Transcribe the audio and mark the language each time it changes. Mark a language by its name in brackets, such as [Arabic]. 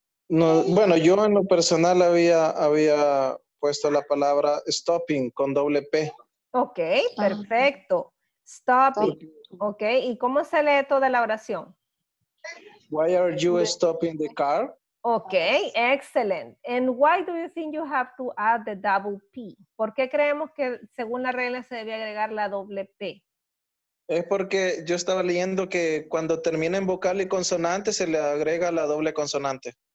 [Spanish] No, bueno, yo en lo personal había puesto la palabra stopping con doble P. Ok, perfecto. Stopping. Ok, ¿y cómo se lee toda la oración? [English] Why are you stopping the car? Ok, excellent. And why do you think you have to add the double P? [Spanish] ¿Por qué creemos que según la regla se debía agregar la doble P? Es porque yo estaba leyendo que cuando termina en vocal y consonante se le agrega la doble consonante.